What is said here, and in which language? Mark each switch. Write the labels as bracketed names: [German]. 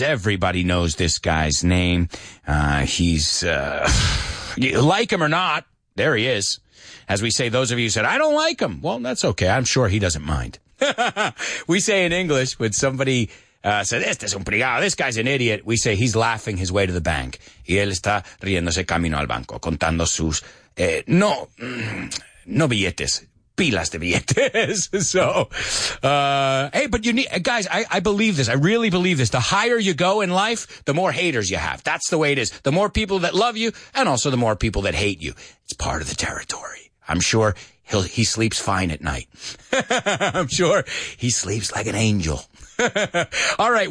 [English] Everybody knows this guy's name. He's, you like him or not, there he is. As we say, those of you who said, I don't like him. Well, that's okay. I'm sure he doesn't mind. We say in English, when somebody says, [Spanish] este es un brigado, [English] this guy's an idiot, we say he's laughing his way to the bank. [Spanish] Y él está riéndose camino al banco, contando sus, no billetes, pilas de billetes. [English] So, hey, but you need, guys, I believe this. I really believe this. The higher you go in life, the more haters you have. That's the way it is. The more people that love you, and also the more people that hate you. It's part of the territory. I'm sure he sleeps fine at night. I'm sure he sleeps like an angel. All right.